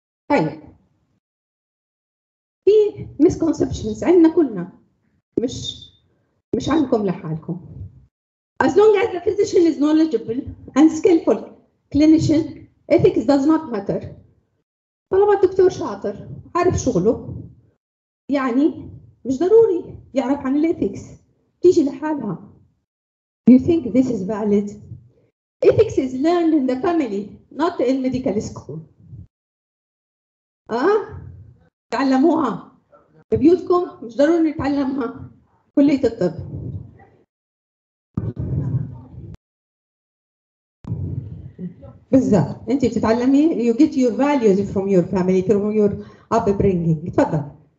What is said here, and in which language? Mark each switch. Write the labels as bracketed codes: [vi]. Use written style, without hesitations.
[ar] طيب في misconceptions عندنا كلنا، مش عندكم لحالكم. [en] As long as the physician is knowledgeable and skillful clinician, ethics does not matter. [ar] طالما الدكتور شاطر عارف شغله يعني مش ضروري يعرف عن الإيثكس، تيجي لحالها. [en] Do you think this is valid? Ethics is learned in the family, not in medical school. [ar] تعلموها في بيوتكم، مش ضروري نتعلمها كلية الطب. بالظبط، انت بتتعلمي، [en] you get your values from your family, from your upbringing. [ar] تفضل.